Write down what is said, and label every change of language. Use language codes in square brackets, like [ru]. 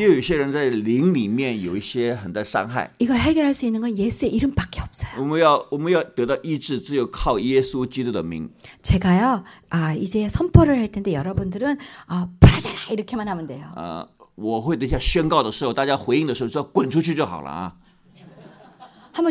[zh] 又有些人在灵里面有一些很的伤害。 [ko] 이걸 해결할 수 있는 건 예수의 이름밖에 없어요. [zh] 我们要得到医治，只有靠耶稣基督的名。 [ko] 제가요, 이제 선포를 할 텐데 여러분. 분들은 부라져라 이렇게만 하면 돼요. [zh] 我会等一下宣告的时候，大家回应的时候说滚出去就好了啊。 [ko] 한번